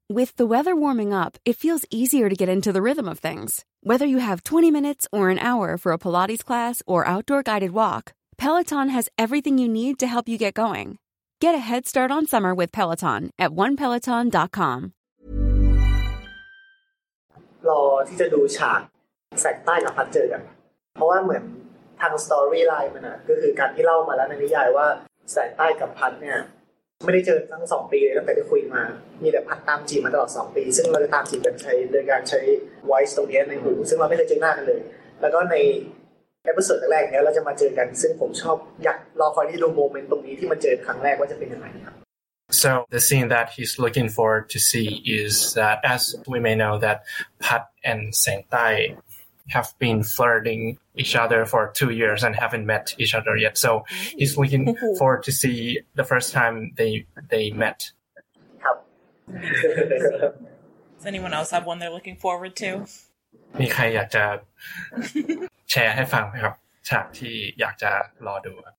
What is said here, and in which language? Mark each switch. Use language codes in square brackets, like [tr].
[en] With the weather warming up, it feels easier to get into the rhythm of things. Whether you have 20 minutes or an hour for a Pilates class or outdoor guided walk, Peloton has everything you need to help you get going. Get a head start on summer with Peloton at onepeloton.com. [th] รอที่จะดูฉากแสงใต้กับพัดเจอกันเพราะว่าเหมือนทางสตอรี่ไลน์มันน่ะก็คือการที่เล่ามาแล้วในนิยายว่าแสงใต้กับพัดเนี่ยไม่ได้เจอทั้ง2ปีเลยตั้งแต่ได้คุยมามีแต่พัดตามจีบมาตลอด2ปีซึ่งเราจะตามจีบกันใช้โดยการใช้ voice ตรงนี้ในหูซึ่งเราไม่เคยเจอหน้ากันเลยแล้วก็ในเอพิโซดแรกเนี่ยเราจะมาเจอกันซึ่งผมชอบอยากรอคอยที่ดูโมเมนต์ตรงนี้ที่มาเจอครั้งแรกว่าจะเป็นยังไงครับ [en] So the scene that he's looking forward to see is that as we may know that Pat and Seng Tai have been flirting each other for 2 years and haven't met each other yet so he's looking forward to see the first time they met [th] ครับ [en] Does anyone else have one they're looking forward to [th] มีใครอยากจะแชร์ให้ฟังไหมครับฉากที่อยากจะรอดู